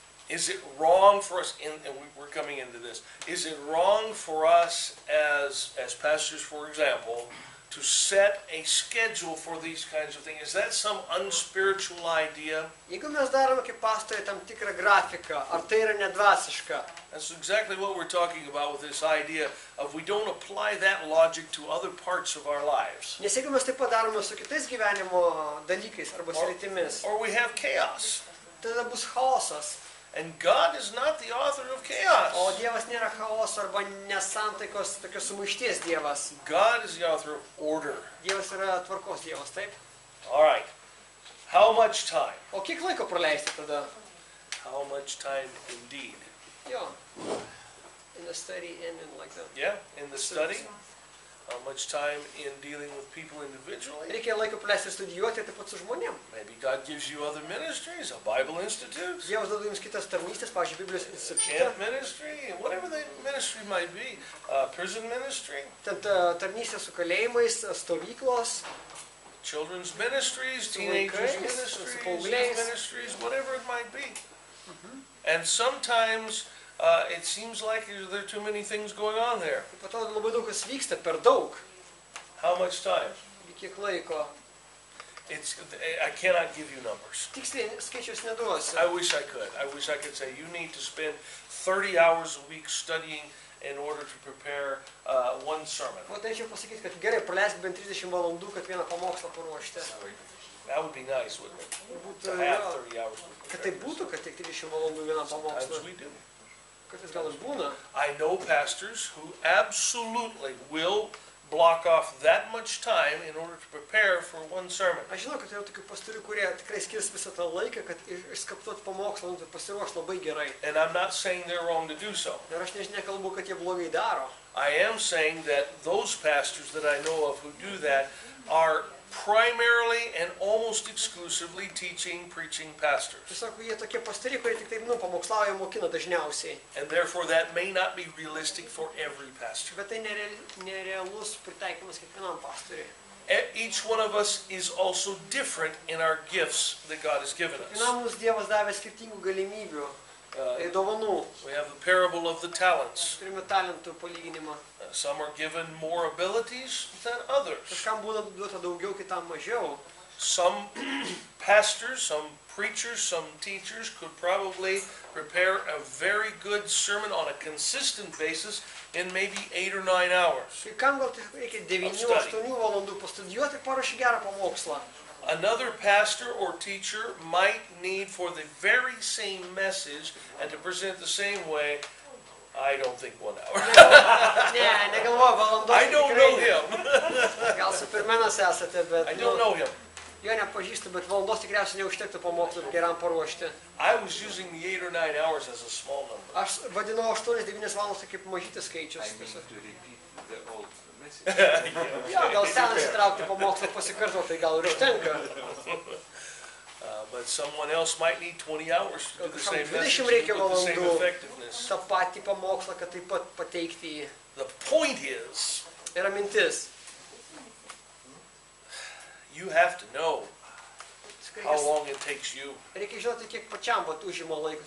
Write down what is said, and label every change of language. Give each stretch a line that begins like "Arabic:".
English: Is it wrong for us, and we're coming into this, is it wrong for us as pastors, for example, to set a schedule for these kinds of things? Is that some unspiritual idea?
Lithuanian: Jeigu mes darome kaip pastoriai tam tikrą grafiką, ar tai yra nedvasiška?
English: That's exactly what we're talking about with this idea of we don't apply that logic to other parts of our lives.
Lithuanian: Nes jeigu mes taip pat darome su kitais gyvenimo dalykais arba sritimis.
English: Or we have chaos.
Lithuanian: Tada bus chaosas.
English: And God is not the author of chaos.
Lithuanian: O Dievas nėra chaoso arba nesantaikos, tokios sumaišties Dievas.
English: God is the author of order.
Lithuanian: Dievas yra tvarkos Dievas, taip?
English: All right. How much time?
Lithuanian: O kiek laiko praleisti tada?
English: How much time indeed?
Lithuanian: Jo.
English: In the study and in like that. Yeah, in the study. How much time in dealing with people individually?
Lithuanian: Reikia laiko praleisti studijuoti taip pat su žmonėm.
English: Maybe God gives you other ministries, a Bible institute.
Lithuanian: Dievas duoda jums kitas tarnystės, pavyzdžiui, Biblijos institutą.
English: Camp ministry, whatever the ministry might be, prison ministry.
Lithuanian: Tarnystė su kalėjimais, stovyklos.
English: Children's ministries, teenagers ministries, youth ministries, whatever it might be. And sometimes It seems like there are too many things going on there.
Lithuanian: Atrodo, labai daug kas vyksta, per daug.
English: How much time?
Lithuanian: Kiek laiko?
English: I cannot give you numbers.
Lithuanian: Tiksliai skaičius neduosiu.
English: I wish I could. I wish I could say you need to spend 30 hours a week studying in order to prepare one sermon.
Lithuanian: Vat aš jau pasakyti, kad gerai praleisk bent 30 valandų, kad vieną pamokslą paruošti.
English: That would be nice, wouldn't it? To have 30 hours.
Lithuanian: Kad tai būtų, kad tik 30 valandų vieną pamokslą.
English: Sometimes we do.
Lithuanian: Kartais gal ir būna.
English: I know pastors who absolutely will block off that much time in order to prepare for one sermon.
Lithuanian: Aš žinau, kad yra tokių pastorių, kurie tikrai skirs visą tą laiką, kad išskaptuotų pamokslą ir pasiruoštų labai gerai.
English: And I'm not saying they're wrong to do so.
Lithuanian: Ir aš nežinau, kalbu, kad jie blogai daro.
English: I am saying that those pastors that I know of who do that are primarily and almost exclusively teaching, preaching pastors.
Lithuanian: Tiesiog jie tokie pastoriai, kurie tik taip, pamokslauja, mokina dažniausiai.
English: And therefore that may not be realistic for every pastor.
Lithuanian: Bet tai nerealus pritaikymas kiekvienam pastoriui.
English: Each one of us is also different in our gifts that God has given us.
Lithuanian: Kiekvienam mums Dievas davė skirtingų galimybių.
English: We have the parable of the talents.
Lithuanian: Turime talentų palyginimą.
English: Some are given more abilities than others.
Lithuanian: Kažkam būna duota daugiau, kitam mažiau.
English: Some pastors, some preachers, some teachers could probably prepare a very good sermon on a consistent basis in maybe 8 or 9 hours.
Lithuanian: Kam gal reikia 9-8 valandų pastudijuoti ir paruošti gerą pamokslą.
English: Another pastor or teacher might need for the very same message and to present the same way, I don't think 1 hour. I don't know him.
Lithuanian: Gal supermenas esate, bet...
English: I don't know him.
Lithuanian: Jo nepažįstu, bet valandos tikriausiai neužtektų pamokslui geram paruošti.
English: I was using the 8 or 9 hours as a small number.
Lithuanian: Aš vadinau 8-9 valandos kaip mažytis skaičius.
English: I mean to repeat the old...
Lithuanian: Jo, gal senas įtraukti pamokslą pasikartot, tai gal ir užtenka.
English: But someone else might need 20 hours to do the same message.
Lithuanian: 20 reikia valandų tą patį pamokslą, kad taip pat pateikti jį.
English: The point is,
Lithuanian: yra mintis.
English: You have to know how long it takes you.
Lithuanian: Reikia žinoti, kiek pačiam vat užima laiko.